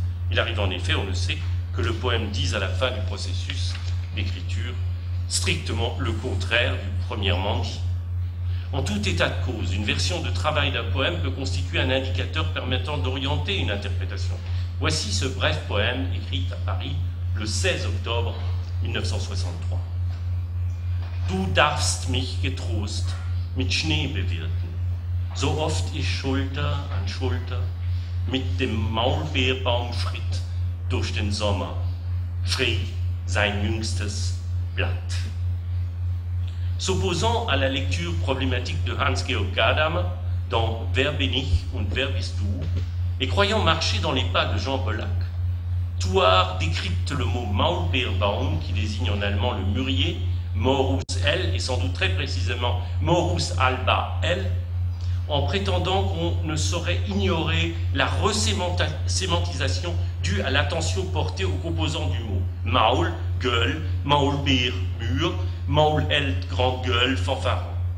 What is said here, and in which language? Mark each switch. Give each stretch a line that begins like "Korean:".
French: Il arrive en effet, on le sait, que le poème dise à la fin du processus d'écriture strictement le contraire du premier manche. En tout état de cause, une version de travail d'un poème peut constituer un indicateur permettant d'orienter une interprétation. Voici ce bref poème écrit à Paris le 16 octobre 1963.
German: Du darfst mich getrost mit Schnee bewirten, so oft ich Schulter an Schulter mit dem Maulbeerbaum schritt durch den Sommer, schrie sein jüngstes Blatt.
French: S'opposant à la lecture problématique de Hans-Georg Gadamer dans «
German: Wer bin ich und wer bist du ?»
French: et croyant marcher dans les pas de Jean Pollack, Thouars décrypte le mot « Maulbeerbaum » qui désigne en allemand le mûrier, « Morus L » et sans doute très précisément « Morus alba L » en prétendant qu'on ne saurait ignorer la resémantisation due à l'attention portée aux composants du mot « Maul » « gueule »,« Maulbeer » « mur » Maulheld, grande gueule, fanfaron.